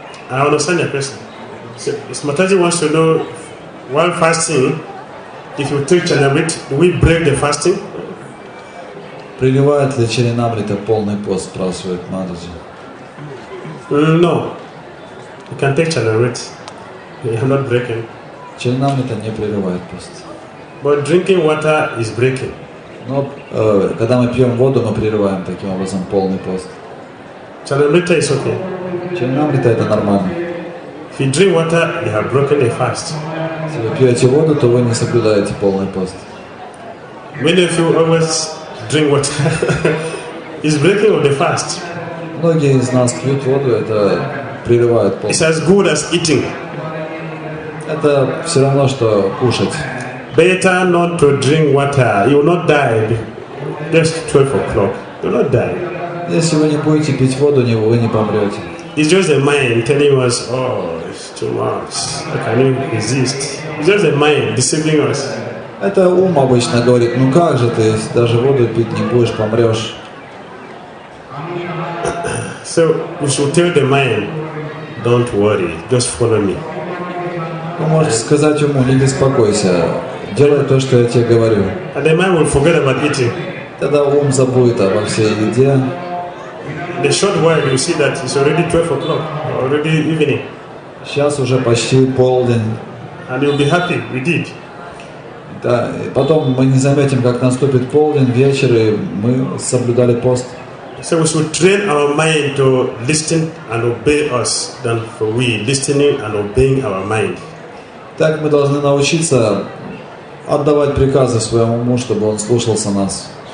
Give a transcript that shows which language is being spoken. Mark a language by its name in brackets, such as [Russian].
[English] I understand your question. So, if Mataji wants to know, while fasting, if you take Chanamrita, do we break the fasting? [Russian] Приливает ли Чаринамрита полный пост, спрашивает Мадхаджи. [English] No. You can take Chanamrita. You are not breaking. [Russian] Чаринамрита не прерывает пост. [English] But drinking water is breaking. [Russian] Но когда мы пьем воду, мы прерываем таким образом полный пост. [English] Чаринамрита is okay. [Russian] Чаринамрита это нормально. [English] If you drink water, you have broken the fast. [Russian] Если вы пьете воду, то вы не соблюдаете полный пост. [English] Many of you always drink water. It's breaking of the fast. [Russian] Многие из нас пьют воду, это прерывает пост. [English] It's as good as eating. [Russian] Это все равно, что кушать. [English] Better not to drink water. You will not die. Just 12 o'clock. You will not die. [Russian] Если вы не будете пить воду, вы не помрете. [English] It's just the mind telling us, oh, it's too much. How can you resist? It's just the mind deceiving us. [Russian] Это ум обычно говорит, ну как же ты, если даже воду пить не будешь, помрешь. [English] So we should tell the mind, don't worry, just follow me. [Russian] Вы можете сказать уму, не беспокойся, делай то, что я тебе говорю. [English] And the mind will forget about eating. [Russian] Тогда ум забудет обо всей еде. [English] In the short while, you see that it's already 12 o'clock, already evening. [Russian] Сейчас уже почти полдень. [English] And you'll be happy, we did. [Russian] Да, и потом мы не заметим, как наступит полдень, вечер, и мы соблюдали пост. [English] So we should train our mind to listen and obey us, than for we listening and obeying our mind. [Russian] Так мы должны научиться отдавать приказы своему уму, чтобы он слушался нас.